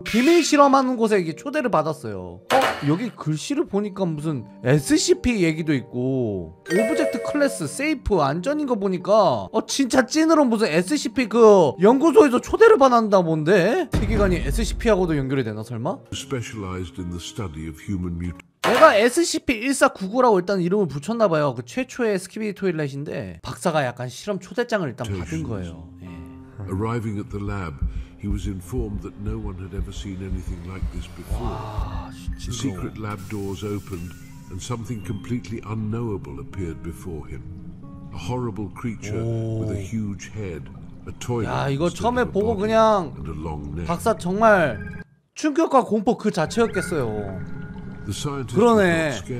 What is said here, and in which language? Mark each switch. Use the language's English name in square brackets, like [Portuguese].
[Korean] 비밀 실험하는 곳에 이게 초대를 받았어요. 어? 여기 글씨를 보니까 무슨 SCP 얘기도 있고 오브젝트 클래스 세이프 안전인 거 보니까 어 진짜 찐으로 무슨 SCP 그 연구소에서 초대를 받았나 본데? 특기관이 SCP하고도 연결이 되나 설마? [English] Specialized in the study of human mutants. [Korean] 내가 SCP-1499라고 일단 이름을 붙였나봐요. 그 최초의 스키비 토일렛인데 박사가 약간 실험 초대장을 일단 받은 거예요. 예. [English] Arriving at the lab, he was informed that no one had ever seen anything like this before. 와, the secret lab doors opened and something completely unknowable appeared before him. A horrible creature with a huge head, a toilet. [Korean] 야, 이거 처음에 보고 그냥 박사 정말 충격과 공포 그 자체였겠어요. 그러네.